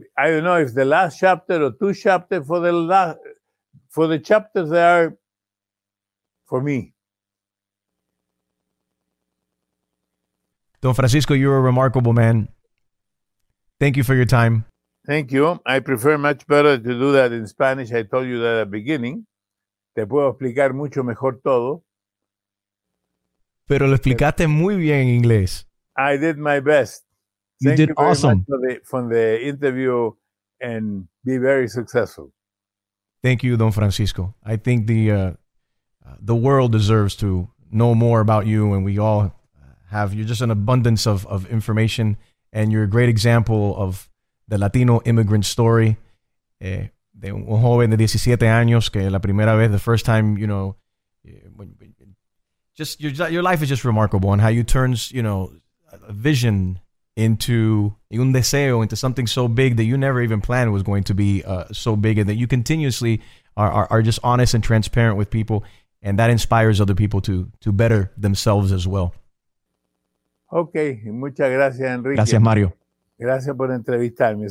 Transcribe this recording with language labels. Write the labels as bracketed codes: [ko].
[en] I don't know if the last chapter or two chapters for the last, for the chapters that are for me. Don Francisco, you're a remarkable man. Thank you for your time. Thank you. I prefer much better to do that in Spanish. I told you that at the beginning. [es] Te puedo explicar mucho mejor todo. Pero lo explicaste muy bien en inglés. [en] I did my best. You did awesome. Thank you very much for the interview and be very successful. Thank you, Don Francisco. I think the world deserves to know more about you, and we all have, you're just an abundance of information, and you're a great example of the Latino immigrant story. [es] De un joven de 17 años que la primera vez, [en] the first time, you know, just your life is just remarkable, and how you turns, you know, a vision into [es] un deseo, [en] into something so big that you never even planned was going to be so big, and that you continuously are just honest and transparent with people, and that inspires other people to better themselves as well. [es] Okay, muchas gracias, Enrique. Gracias, Mario. Gracias por entrevistarme.